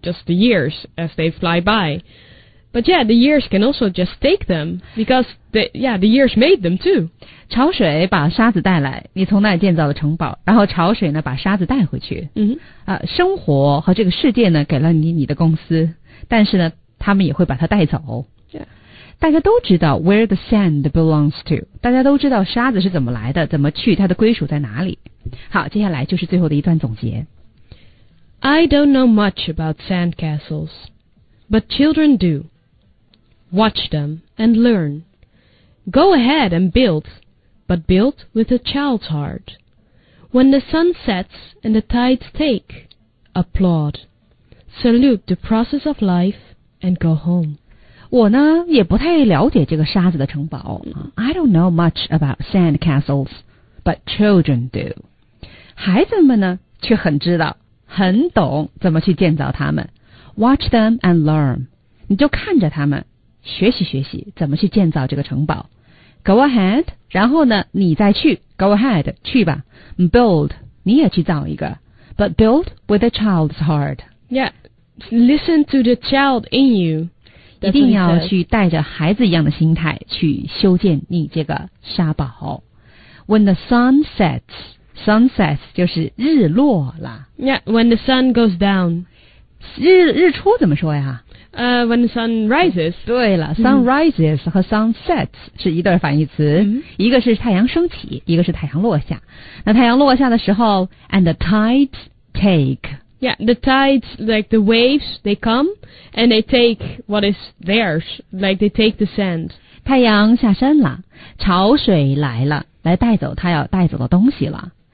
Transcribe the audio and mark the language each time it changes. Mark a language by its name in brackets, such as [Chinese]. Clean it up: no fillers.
[English] Just the years as they fly by. But yeah, the years can also just take them because the years made them too. [Chinese] 潮水把沙子带来，你从那儿建造了城堡，然后潮水呢把沙子带回去。嗯，生活和这个世界呢给了你的公司，但是呢他们也会把它带走。大家都知道 [English] where the sand belongs to， [Chinese] 大家都知道沙子是怎么来的，怎么去，它的归属在哪里。好，接下来就是最后的一段总结。 [English] I don't know much about sandcastles, but children do. Watch them and learn. Go ahead and build. But built with a child's heart. When the sun sets and the tides take, applaud. Salute the process of life and go home. [Chinese] 我呢也不太了解这个沙子的城堡。 [English] I don't know much about sand castles, but children do. [Chinese] 孩子们呢却很知道，很懂怎么去建造他们。 [English] Watch them and learn. [Chinese] 你就看着他们，学习学习怎么去建造这个城堡。 [English] Go ahead, [Chinese] 然后呢你再去 [English] go ahead, [Chinese] 去吧 [English] build, [Chinese] 你也去造一个 [English] but build with a child's heart. Yeah, listen to the child in you. [Chinese] 一定要去带着孩子一样的心态去修建你这个沙堡。 [English] When the sun sets [Chinese] 就是日落了。 [English] Yeah, when the sun goes down. [Chinese] 日出怎么说呀？ [English] When the sun rises. [Chinese] 对了、sun rises 和 sun sets 是一对反义词、一个是太阳升起，一个是太阳落下。那太阳落下的时候 [English] and the tides take. Yeah, the tides, like the waves, they come and they take what is theirs, like they take the sand. [Chinese] 太阳下山了，潮水来了，来带走他要带走的东西了。